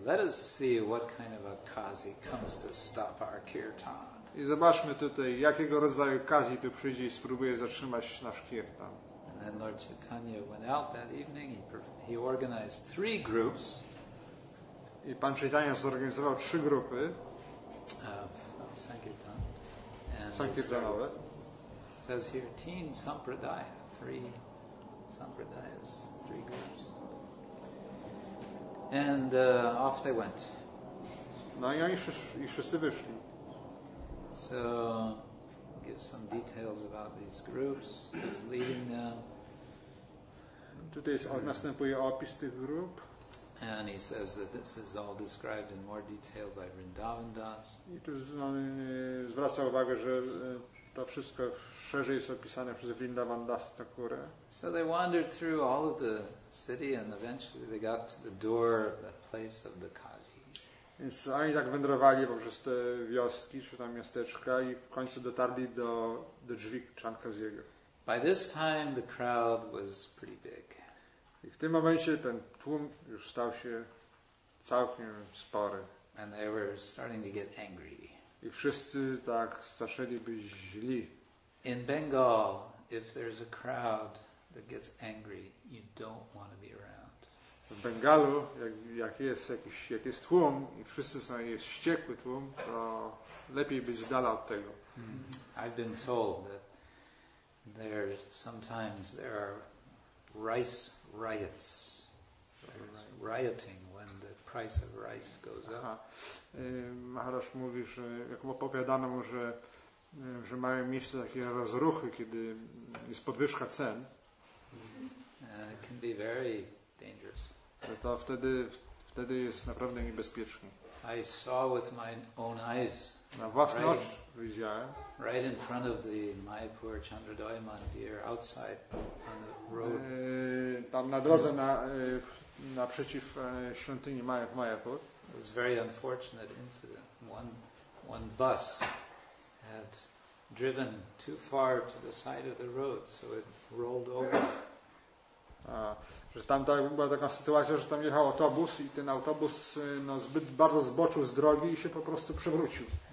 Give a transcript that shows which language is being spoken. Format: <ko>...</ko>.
<en>Let us see what kind of a kazi comes to stop our kirtan.</en> <pl>I zobaczmy tutaj, jakiego rodzaju kazi tu przyjdzie i spróbuje zatrzymać nasz kirtan.</pl> <en>And then Lord Chaitanya went out that evening. He organized three groups.</en> <pl>I pan Chaitanya zorganizował trzy grupy.</pl> <en>Sankirtan.</en> <pl>Sankirtanowe.</pl> <en>Says here,</en> <bn>teen sampradaya,</bn> <en>three. Sampradayas, three groups. And off they went.</en> <pl>No, i wszyscy wyszli.</pl> <en>So, give some details about these groups, who's leading them.</en> <pl>Tutaj następuje opis tych grup.</pl> <en>And he says that this is all described in more detail by Vrindavan Das.</en> <pl>I tu zwraca uwagę, że to wszystko szerzej jest opisane przez Vrindavan Das Thakura.</pl> <en>So they wandered through all of the city and eventually they got to the door of the place of the Kaji.</en> <pl>Więc oni tak wędrowali poprzez te wioski czy tam miasteczka i w końcu dotarli do drzwi Chankaziego.</pl> <en>By this time the crowd was pretty big.</en> <pl>I w tym momencie ten tłum już stał się całkiem spory.</pl> <en>And they were starting to get angry.</en> <pl>I wszyscy tak zaczęli być źli.</pl> <en>In Bengal, if there's a crowd that gets angry, you don't want to be around.</en> <pl>W Bengalu, jak jest tłum i wszyscy są wściekły tłum, to lepiej być z dala od tego.</pl> <en>I've been told that there are rice riots. Rioting when the price of rice goes up.</en> <pl>Maharaj mówi, że jak opowiadano mu, że mają miejsce takie rozruchy, kiedy jest podwyżka cen.</pl> <en>It can be very dangerous.</en> <pl>To wtedy jest naprawdę niebezpiecznie.</pl> <en>I saw with my own eyes.</en> <pl>Na własne oczy widziałem.</pl> <en>Right in front of the Mayapur Chandradoya Mandir outside on the road.</en> <pl>Tam na drodze naprzeciw świątyni Mayapur.</pl> <en>It was a very unfortunate incident. One bus had driven too far to the side of the road, so it rolled over.</en> <pl>Że tam była taka sytuacja, że tam jechał autobus i ten autobus zbyt bardzo zboczył z drogi i się po prostu przewrócił.</pl>